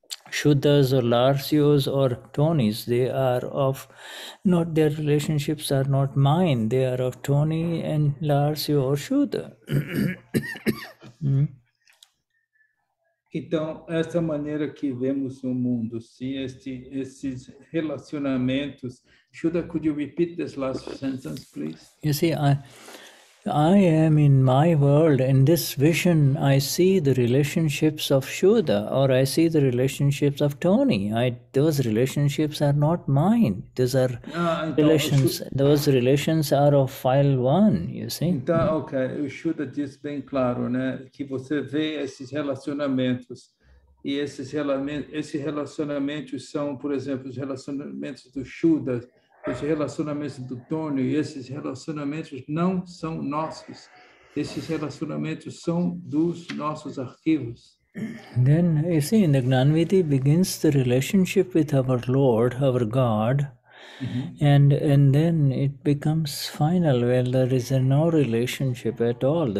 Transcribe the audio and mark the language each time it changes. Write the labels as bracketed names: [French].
[English] Shuddhas or Larsios or Tonys, they are of, not their relationships are not mine, they are of Tony and Larsio or Shuddha. [Portuguese] Então, essa maneira que vemos o mundo, sim, esses relacionamentos. [English] Shuddha, could you repeat this last sentence, please? You see, I am in my world, in this vision, I see the relationships of Shuddha, or I see the relationships of Tony. Those relationships are not mine. Those are relations. Those relations are of file one, you see? [Portuguese] Então, ok, o Shuddha diz bem claro, né, que você vê esses relacionamentos, e esses relacionamentos são, por exemplo, os relacionamentos do Shuddha, os relacionamentos do Tony, e esses relacionamentos não são nossos. Esses relacionamentos são dos nossos arquivos. [English] Then, you see, in the Gnanvidhi begins the relationship with our Lord, our God, and then it becomes final, well, there is no relationship at all.